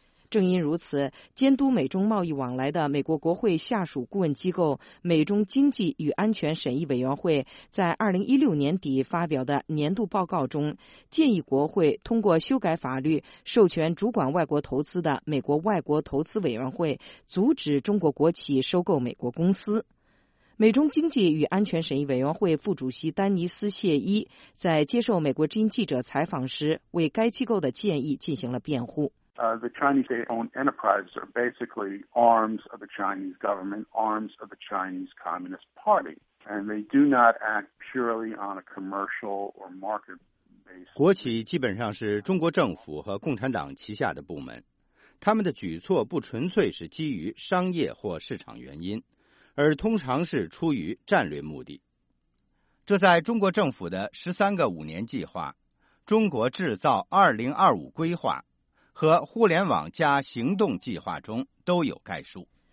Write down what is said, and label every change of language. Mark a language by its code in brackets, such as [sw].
[zh] 正因如此，监督美中贸易往来的美国国会下属顾问机构美中经济与安全审议委员会在2016年底发表的年度报告中，建议国会通过修改法律，授权主管外国投资的美国外国投资委员会阻止中国国企收购美国公司。美中经济与安全审议委员会副主席丹尼斯·谢伊在接受美国之音记者采访时为该机构的建议进行了辩护。 [en] The Chinese state-owned enterprises are basically arms of the Chinese government, arms of the Chinese Communist Party, and they do not act purely on a commercial or market basis. [zh] 国企基本上是中国政府和共产党旗下的部门，他们的举措不纯粹是基于商业或市场原因，而通常是出于战略目的。这在中国政府的13个5年计划、中国制造2025规划和互联网加行动计划中都有概述。